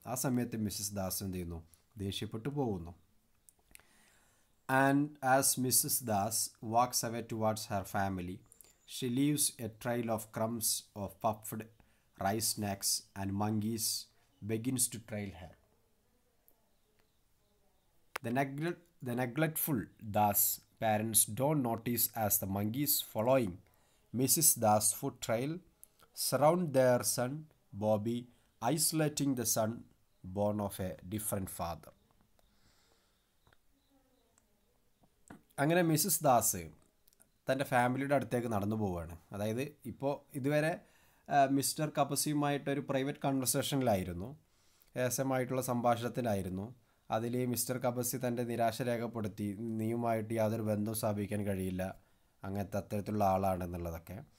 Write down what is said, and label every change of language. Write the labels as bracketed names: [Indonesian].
[Malayalam] ആ സമയത്ത് മിസ്സസ് ദാസ് എന്ത് ചെയ്യുന്നു, ദേഷ്യപ്പെട്ടു പോകുന്നു. [English] And as Mrs Das walks away towards her family, she leaves a trail of crumbs of puffed rice snacks and monkeys begins to trail her. The neglectful Das parents don't notice as the monkeys following Mrs. Das' foot trail surround their son Bobby, isolating the son born of a different father. [Malayalam] അങ്ങനെ Mrs Das തൻ്റെ ഫാമിലിയുടെ അടുത്തേക്ക് നടന്നു പോവുകയാണ്. അതായത് ഇപ്പോൾ ഇതുവരെ mister കബസിയുമായിട്ടൊരു private കൺവെർസേഷനിലായിരുന്നു, രഹസ്യമായിട്ടുള്ള സംഭാഷണത്തിലായിരുന്നു. അതിൽ മിസ്റ്റർ കബസി തൻ്റെ നിരാശ രേഖപ്പെടുത്തി, നീയുമായിട്ട് യാതൊരു ബന്ധം സ്ഥാപിക്കാൻ കഴിയില്ല, അങ്ങനത്തെ അത്തരത്തിലുള്ള ആളാണെന്നുള്ളതൊക്കെ.